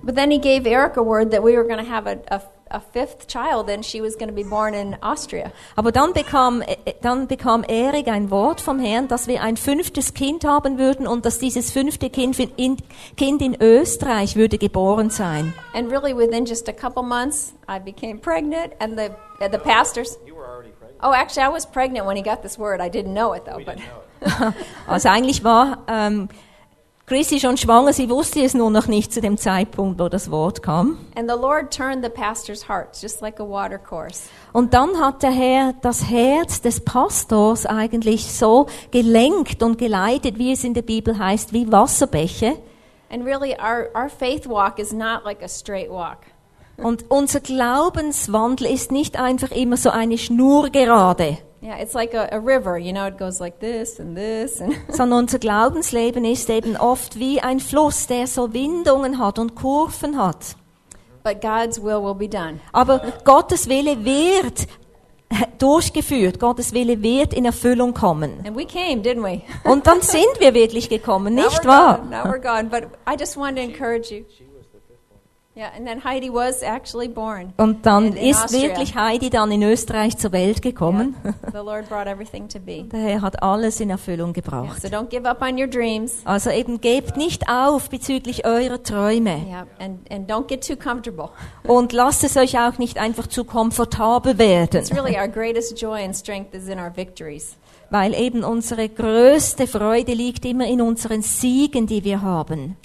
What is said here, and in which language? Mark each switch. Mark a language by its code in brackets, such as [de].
[en] But then he gave Eric a word that we were going to have a a fifth child, then she was going to be born in Austria. [de] Aber dann bekam Erik ein Wort vom Herrn, dass wir ein fünftes Kind haben würden und dass dieses fünfte Kind in Österreich würde geboren sein. [en] And really within just a couple months I became pregnant and the pastors. You were already pregnant. Oh, actually I was pregnant when he got this word. I didn't know it though. We but didn't know it. [de] Also eigentlich war Chrissy schon schwanger, sie wusste es nur noch nicht zu dem Zeitpunkt, wo das Wort kam. [en] And the Lord turned the pastor's heart, just like a water course. [de] Und dann hat der Herr das Herz des Pastors eigentlich so gelenkt und geleitet, wie es in der Bibel heißt, wie Wasserbäche. [en] And really our faith walk is not like a straight walk. [de] Und unser Glaubenswandel ist nicht einfach immer so eine Schnurgerade. [en] Yeah, it's like a river, you know, it goes like this and this and [de] sondern unser Glaubensleben ist eben oft wie ein Fluss, der so Windungen hat und Kurven hat. [en] But God's will be done. [de] Aber Gottes Wille wird durchgeführt. Gottes Wille wird in Erfüllung kommen. [en] And we came, didn't we? [de] Und dann sind wir wirklich gekommen, nicht [en] now we're [de] wahr? [en] Gone, now we're gone, but I just want to encourage you. Yeah, and then Heidi was actually born. [de] Und dann ist wirklich Heidi dann in Österreich zur Welt gekommen. [en] Yeah, the Lord brought everything to be. [de] Der Herr hat alles in Erfüllung gebracht. [en] Yeah, so don't give up on your dreams. [de] Also eben gebt nicht auf bezüglich eurer Träume. [en] Yeah, and don't get too comfortable. [de] Und lasst es euch auch nicht einfach zu komfortabel werden. [en] It's really our greatest joy and strength is in our victories. [de] Weil eben unsere größte Freude liegt immer in unseren Siegen, die wir haben.